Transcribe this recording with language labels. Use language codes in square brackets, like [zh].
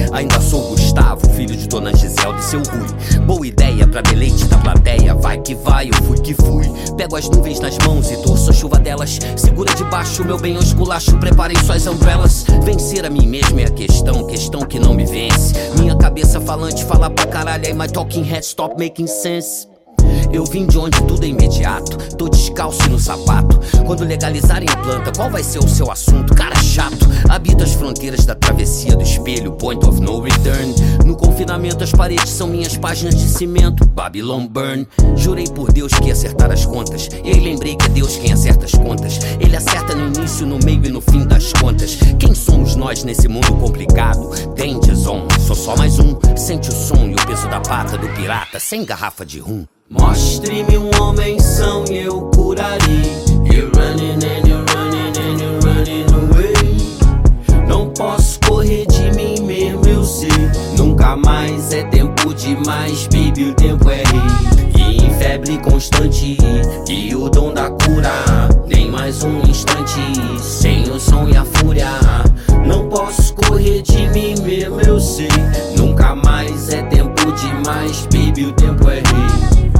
[pt] Ainda sou Gustavo, filho de Dona Giselda e seu Rui. Boa ideia pra deleite da plateia. Vai que vai, eu fui que fui. Pego as nuvens nas mãos e torço a chuva delas. Segura debaixo, meu bem, eu esculacho. Preparei suas umbrelas. Vencer a mim mesmo é a questão, questão que não me vence. Minha cabeça falante fala pra caralho. Aí [en] my talking head stop making sense. [pt] Eu vim de onde tudo é imediato. Tô descalço no sapato. Quando legalizarem a planta, qual vai ser o seu assunto? Cara chato. Habito as fronteiras da travessia do espelho. [en] Point of no return. [pt] No confinamento as paredes são minhas páginas de cimento. [en] Babylon burn. [pt] Jurei por Deus que ia acertar as contas. E aí lembrei que é Deus quem acerta as contas. Ele acerta no início, no meio e no fim das contas. Quem somos nós nesse mundo complicado? [en] Danger zone. [pt] Sou só mais um. Sente o som e o peso da pata do pirata. Sem garrafa de rum. Mostre-me um homem são e eu curarei. [en] You're running and you're running and you're running away. [pt] Não posso correr de mim mesmo, eu sei. Nunca mais é tempo demais, baby, o tempo é rei. E em febre constante, e o dom da cura. Nem mais um instante, sem o som e a fúria. Não posso correr de mim mesmo, eu sei. Nunca mais é tempo demais, baby, o tempo é rei.